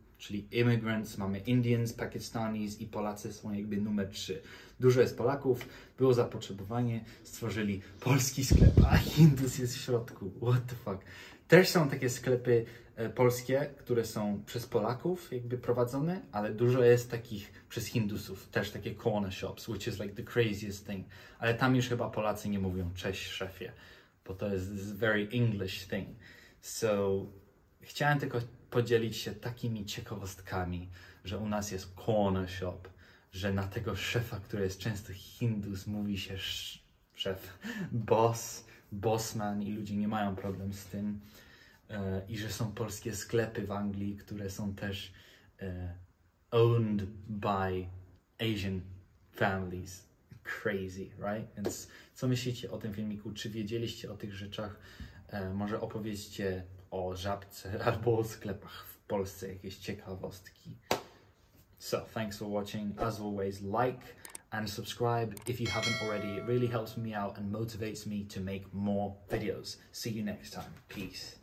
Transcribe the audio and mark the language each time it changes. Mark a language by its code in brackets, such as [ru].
[pl] Czyli immigrants, mamy Indians, Pakistanis i Polacy są jakby numer 3. Dużo jest Polaków, było zapotrzebowanie, stworzyli polski sklep, a Hindus jest w środku. [en] What the fuck? [pl] Też są takie sklepy polskie, które są przez Polaków jakby prowadzone, ale dużo jest takich przez Hindusów. Też takie [en] corner shops, which is like the craziest thing. [pl] Ale tam już chyba Polacy nie mówią cześć szefie, bo to jest [en] very English thing. So, [pl] chciałem tylko podzielić się takimi ciekawostkami, że u nas jest corner shop, że na tego szefa, który jest często Hindus, mówi się szef, boss, bossman i ludzie nie mają problem z tym. I że są polskie sklepy w Anglii, które są też [en] owned by Asian families. Crazy, right? [pl] Więc co myślicie o tym filmiku? Czy wiedzieliście o tych rzeczach? Może opowiedzcie o Żabce albo o sklepach w Polsce, jakieś ciekawostki. [en] So, thanks for watching. As always, like and subscribe if you haven't already. It really helps me out and motivates me to make more videos. See you next time. Peace.